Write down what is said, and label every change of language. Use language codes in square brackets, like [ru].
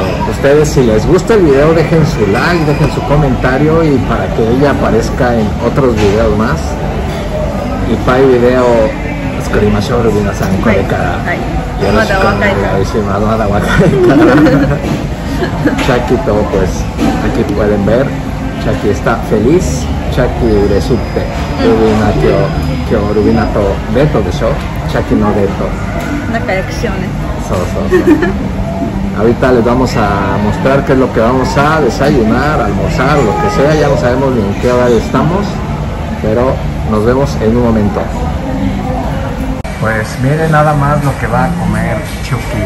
[es] ustedes si les gusta el video dejen su like, dejen su comentario y para que ella aparezca en otros videos más. [ja] いっぱいビデオ作りましょう、ルビナさん、これから。はい。よろしくお願いします。まだ若いから。 Chucky と、 [es] pues aquí pueden ver, Chucky está feliz, [ja] Chucky嬉しくて、ルビナ今日ルビナとデートでしょ？Chucky のデート。仲良くしようね。そうそうそう。 [es] Ahorita les vamos a mostrar qué es lo que vamos a desayunar, almorzar, lo que sea. Ya no sabemos ni en qué hora estamos, pero nos vemos en un momento. Pues miren nada más lo que va a comer Chucky.